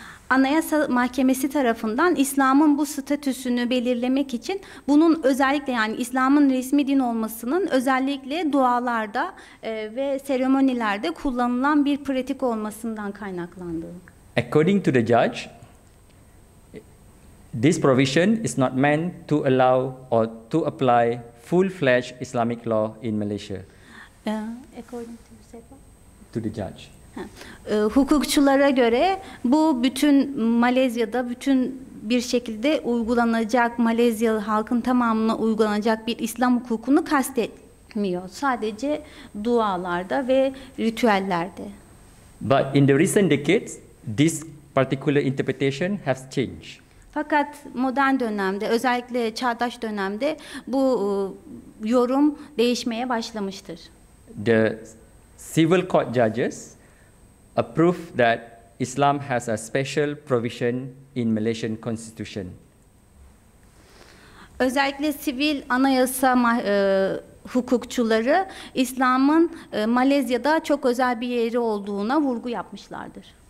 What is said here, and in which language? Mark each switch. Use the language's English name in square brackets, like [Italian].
[Turkish] Anayasa Mahkemesi tarafından İslam'ın bu statüsünü belirlemek için bunun özellikle yani İslam'ın resmi din olmasının özellikle dualarda ve seremonilerde kullanılan bir pratik olmasından kaynaklandığı. [English] According to the judge, this provision is not meant to allow or to apply full-fledged Islamic law in Malaysia. According to the judge. [Turkish] Hukukçulara göre bu bütün Malezya'da bütün bir şekilde uygulanacak Malezyalı halkın tamamına uygulanacak bir İslam hukukunu kastetmiyor. Sadece dualarda ve ritüellerde. [English] But in the recent decades, this particular interpretation has changed. [Turkish] Fakat modern dönemde, özellikle çağdaş dönemde bu yorum değişmeye başlamıştır. [English] The civil court judges approve that Islam has a special provision in Malaysian constitution. [Turkish] Özellikle sivil anayasa hukukçuları İslam'ın Malezya'da çok özel bir yeri olduğuna vurgu yapmışlardır.